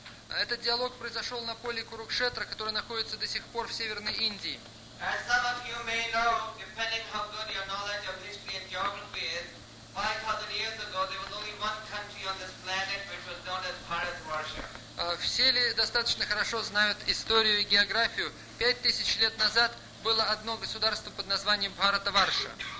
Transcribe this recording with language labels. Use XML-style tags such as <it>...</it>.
<ru>Этот диалог произошел на поле Курукшетра, которое находится до сих пор в Северной Индии.</ru> <en>As some of you may know, depending how good your knowledge of history and geography is, 5000 years ago there was only one country on this planet which was known as Bharatvarsha.</en> <ru>Все ли достаточно хорошо знают историю и географию? 5000 лет назад было одно государство под названием Бхарата-варша.</ru>